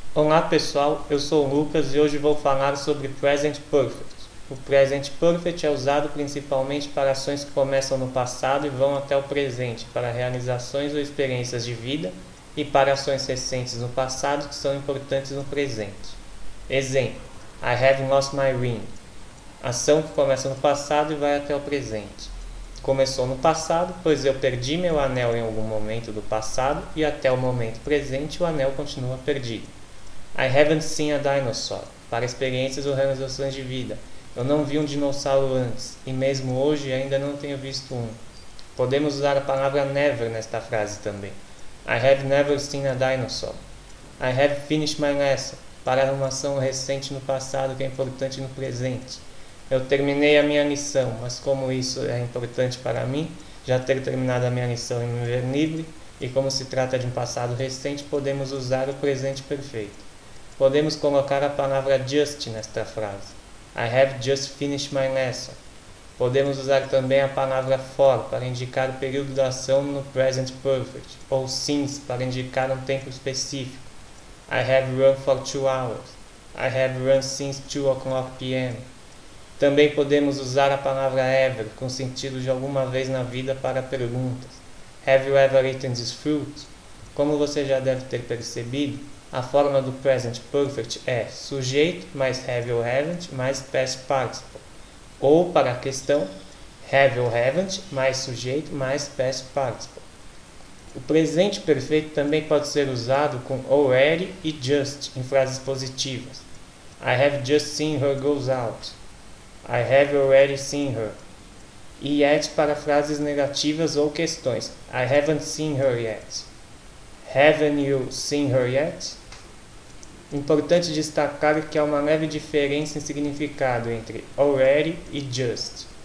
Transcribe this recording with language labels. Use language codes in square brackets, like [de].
[pt] Olá pessoal, eu sou o Lucas e hoje vou falar sobre Present Perfect. O Present Perfect é usado principalmente para ações que começam no passado e vão até o presente, para realizações ou experiências de vida e para ações recentes no passado que são importantes no presente. [en] Exemplo: I have lost my ring. [pt] Ação que começa no passado e vai até o presente. Começou no passado, pois eu perdi meu anel em algum momento do passado e até o momento presente o anel continua perdido. [en] I haven't seen a dinosaur. [pt] Para experiências ou realizações de vida. Eu não vi um dinossauro antes, e mesmo hoje ainda não tenho visto um. Podemos usar a palavra never nesta frase também. [en] I have never seen a dinosaur. I have finished my lesson. [pt] Para uma ação recente no passado que é importante no presente. Eu terminei a minha lição, mas como isso é importante para mim, já ter terminado a minha lição e me ver livre, e como se trata de um passado recente, podemos usar o presente perfeito. Podemos colocar a palavra just nesta frase. [en] I have just finished my lesson. [pt] Podemos usar também a palavra for para indicar o período da ação no present perfect, ou since para indicar um tempo específico. [en] I have run for 2 hours. I have run since 2 o'clock p.m. [pt] Também podemos usar a palavra ever com sentido de alguma vez na vida para perguntas. [en] Have you ever eaten this fruit? [pt] Como você já deve ter percebido, a forma do present perfect é sujeito mais have ou haven't mais past participle. Ou, para a questão, have ou haven't mais sujeito mais past participle. O presente perfeito também pode ser usado com already e just em frases positivas. [en] I have just seen her go out. I have already seen her. [pt] E yet para frases negativas ou questões. [en] I haven't seen her yet. Haven't you seen her yet? [pt] Importante destacar que há uma leve diferença em significado entre already e just.